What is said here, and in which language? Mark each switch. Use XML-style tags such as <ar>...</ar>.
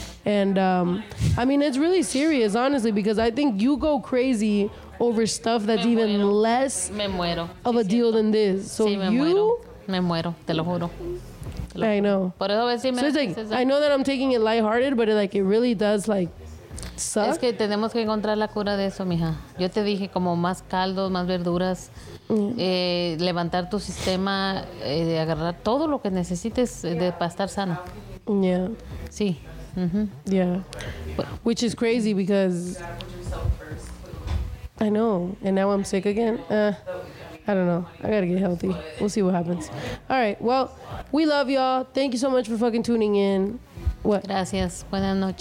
<en>And I mean, it's really serious, honestly, because I think you go crazy over stuff that's even less of a deal than this. So you,</en> <es>me muero, te lo juro.</es> <en>I know. So it's like, I know that I'm taking it lighthearted, but it, like, it really does, like, suck.</en> <es>Es que tenemos que encontrar la cura de eso, mija. Yo te dije como más caldos, más verduras. Levantar tu sistema, de agarrar todo lo que necesites de para estar sano.</es> <en>Yeah.</en> <es>Sí.</es> <en>Mm-hmm. Yeah. But, which is crazy because I know, and now I'm sick again. I don't know. I gotta get healthy. We'll see what happens. All right. Well, we love y'all. Thank you so much for fucking tuning in. What?</en> <es>Gracias. Buenas noches.</es>